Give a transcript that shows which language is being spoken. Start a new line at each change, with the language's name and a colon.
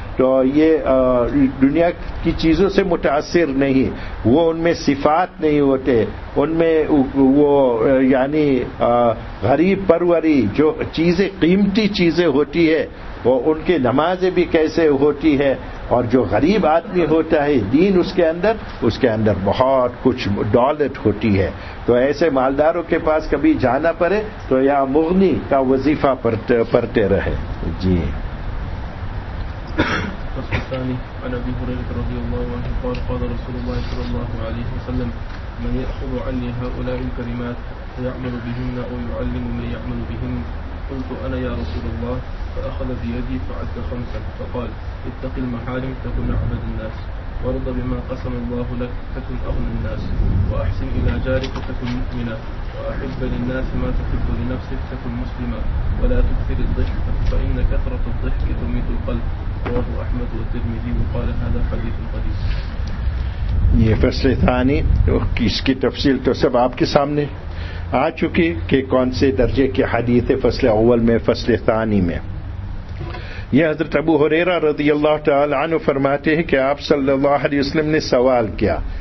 Urdu: تو یہ دنیا کی چیزوں سے متاثر نہیں، وہ ان میں صفات نہیں ہوتے، ان میں وہ یعنی غریب پروری جو چیزیں، قیمتی چیزیں ہوتی ہے، وہ ان کی نمازیں بھی کیسے ہوتی ہے. اور جو غریب آدمی ہوتا ہے دین، اس کے اندر بہت کچھ دولت ہوتی ہے. تو ایسے مالداروں کے پاس کبھی جانا پڑے تو یا مغنی کا وظیفہ پڑتے رہے. جی.
Arabic: الفصل الثاني عن ابي هريره رضي الله عنه قال قال رسول الله صلى الله عليه وسلم من ياخذ عني هؤلاء الكلمات فيعمل بهن او يعلم من يعمل بهن قلت انا يا رسول الله فاخذ بيدي فعد 5 فقال اتق المحارم تكن اعبد الناس وارض بما قسم الله لك تكن اغنى الناس واحسن الى جارك تكن مؤمنا واحب للناس ما تحب لنفسك تكن مسلما ولا تكثر الضحك فان كثره الضحك تميت القلب. رواه احمد والترمذي وقال هذا حديث قدير.
Urdu: یہ فصل ثانی اس کی تفصیل تو سب آپ کے سامنے آ چکی کہ کون سے درجے کی حدیث فصل اول میں فصل ثانی میں. یہ حضرت ابو ہریرہ رضی اللہ تعالی عنہ فرماتے ہیں کہ آپ صلی اللہ علیہ وسلم نے سوال کیا.